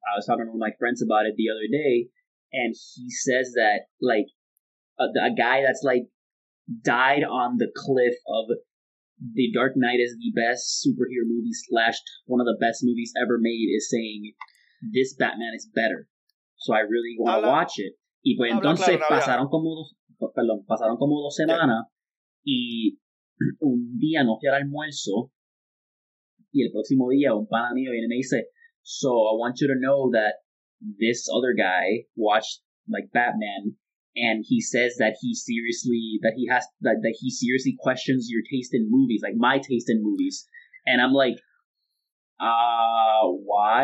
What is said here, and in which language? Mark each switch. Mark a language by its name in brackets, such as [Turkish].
[English] I was talking to my friends about it the other day, and he says that, like, a guy that's, like, died on the cliff of The Dark Knight is the best superhero movie / one of the best movies ever made is saying, this Batman is better. So I really want to watch it. [Spanish] Y pues entonces pasaron como dos semanas, yeah. Y un día no fui al almuerzo, y el próximo día un pana mío viene y me dice, [English] So I want you to know that this other guy watched like Batman, and he says that he seriously questions your taste in movies, like my taste in movies. And I'm like, why?